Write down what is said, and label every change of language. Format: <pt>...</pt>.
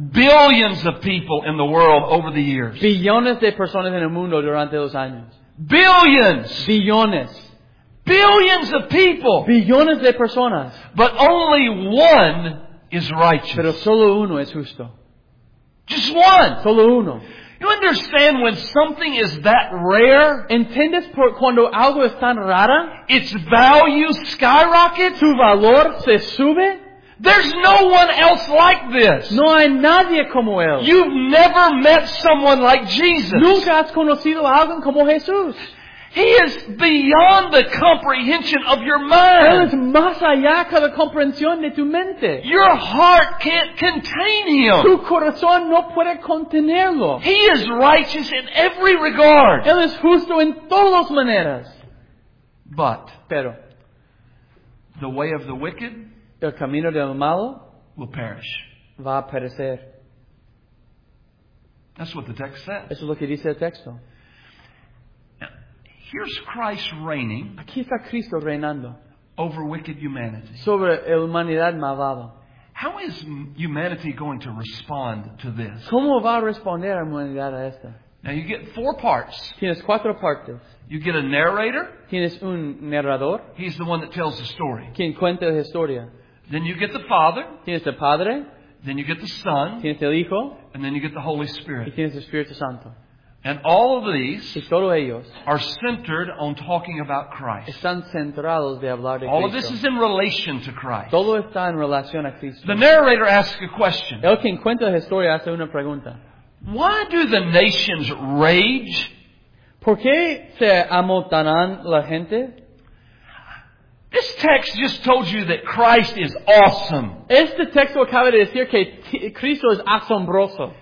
<en>billions of people in the world over the years,</en> <es>billones de personas en el mundo durante los años,</es> <en>billions of people,</en> <es>billones de personas,</es> <en>but only one is righteous,</en> <es>pero solo uno es justo,</es> <en>just one,</en> <es>solo uno.</es> <en>You understand when something is that rare?</en> <es>¿Entiendes por cuando algo es tan rara?</es> <en>Its value skyrockets?</en> <es>¿Su valor se sube?</es> <en>There's no one else like this.</en> <es>No hay nadie como él.</es> <en>You've never met someone like Jesus.</en> <es>¿Nunca has conocido a alguien como Jesús?</es> <en>He is beyond the comprehension of your mind.</en> <es>Él es más allá que la comprensión de tu mente.</es> <en>Your heart can't contain him.</en> <es>Tu corazón no puede contenerlo.</es> <en>He is righteous in every regard.</en> <es>Él es justo en todas maneras.</es> <en>But,</en> <es>pero,</es> <en>the way of the wicked,</en> <es>el camino del malo,</es> <en>will perish.</en> <es>Va a perecer.</es> <en>That's what the text says.</en> <es>Eso es lo que dice el texto.</es> <en>Here's Christ reigning.</en> <es>Aquí está Cristo reinando.</es> <en>Over wicked humanity.</en> <es>Sobre la humanidad malvada.</es> <en>How is humanity going to respond to this?</en> <es>¿Cómo va a responder la humanidad a esta?</es> <en>Now you get four parts.</en> <es>Tienes cuatro partes.</es> <en>You get a narrator.</en> <es>Tienes un narrador.</es> <en>He's the one that tells the story.</en> <es>Quien cuenta la historia.</es> <en>Then you get the Father.</en> <es>Tienes el Padre.</es> <en>Then you get the Son.</en> <es>Tienes el Hijo.</es> <en>And then you get the Holy Spirit.</en> <es>Y tienes el Espíritu Santo.</es> <en>And all of these</en> <es>y todos ellos</es> <en>are centered on talking about Christ.</en> <es>Están centrados de hablar de Cristo.</es> <en>All of this is in relation to Christ.</en> <es>Todo está en relación a Cristo.</es> <en>The narrator asks a question.</en> <es>El quien cuenta la historia hace una pregunta.</es> <en>Why do the nations rage?</en> <es>¿Por qué se amotanan la gente?</es> <en>This text just told you that Christ is awesome.</en> <es>Este texto acaba de decir que Cristo es asombroso.</es>